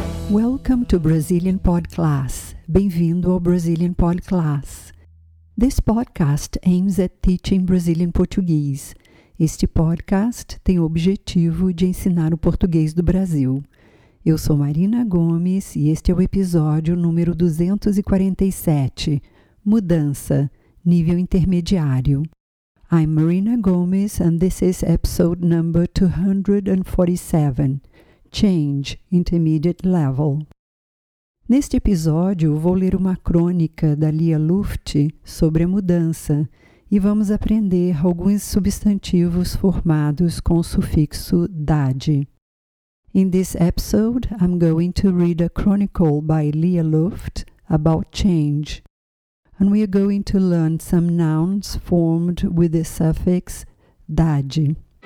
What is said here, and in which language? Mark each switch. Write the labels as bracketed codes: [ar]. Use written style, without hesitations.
[en] Welcome to Brazilian Podclass. [pt] Bem-vindo ao Brazilian Podclass. [en] This podcast aims at teaching Brazilian Portuguese. [pt] Este podcast tem o objetivo de ensinar o português do Brasil. Eu sou Marina Gomes e este é o episódio número 247, Mudança, Nível Intermediário. [en] I'm Marina Gomes and this is episode number 247, Change, Intermediate Level. [pt] Neste episódio, vou ler uma crônica da Lia Luft sobre a mudança e vamos aprender alguns substantivos formados com o sufixo -dade. [en] In this episode, I'm going to read a chronicle by Lia Luft about change. And we are going to learn some nouns formed with the suffix -dade.